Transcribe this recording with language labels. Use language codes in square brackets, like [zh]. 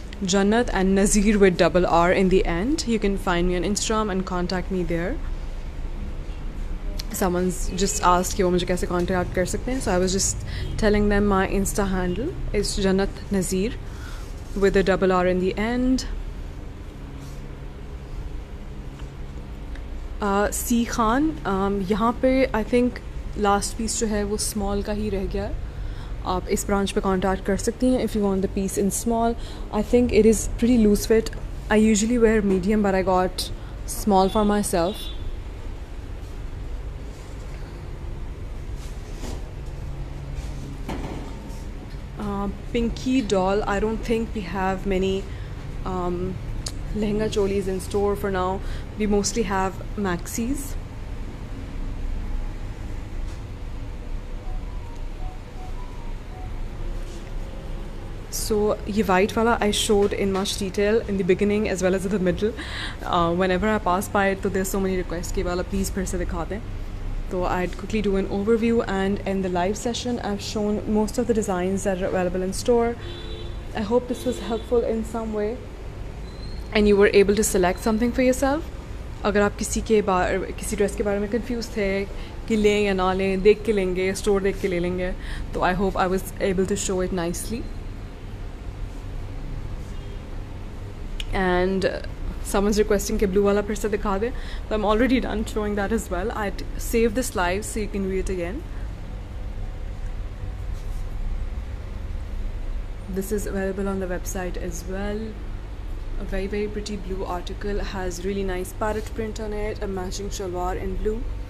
[en] Jannat and Nazir with double R in the end. You can find me on Instagram and contact me there. Someone's just asked, how can I contact me? So I was just telling them my Insta handle is Jannat Nazir with a double R in the end. [ur] سی خان، یہاں پہ [en] I think last piece [ur] جو ہے وہ small کا ہی رہ گیا ہے۔ آپ اس branch پہ contact کر سکتی ہیں [en] if you want the piece in small. I think it is pretty loose fit. I usually wear medium, but I got small for myself. Pinky doll, I don't think we have many lehenga cholis in store for now. We mostly have maxis. So [ur] ye white wala [en] I showed in much detail in the beginning as well as in the middle. Whenever I pass by it, there's so many requests [ur] ki wala please phir se dikha de. [en] So I'd quickly do an overview and end the live session. I've shown most of the designs that are available in store. I hope this was helpful in some way and you were able to select something for yourself. [ur] اگر آپ کسی کے بارے کسی dress کے بارے میں confused تھے کہ لیں یا نہ لیں، دیکھ کے لیں گے، store دیکھ کے لے لیں گے، [en] so I hope I was able to show it nicely. And someone's requesting [ur] ke blue wala phir se dikha de, [en] so I'm already done showing that as well. I'd save this live so you can view it again. This is available on the website as well. A very very pretty blue article, has really nice parrot print on it, a matching shalwar in blue.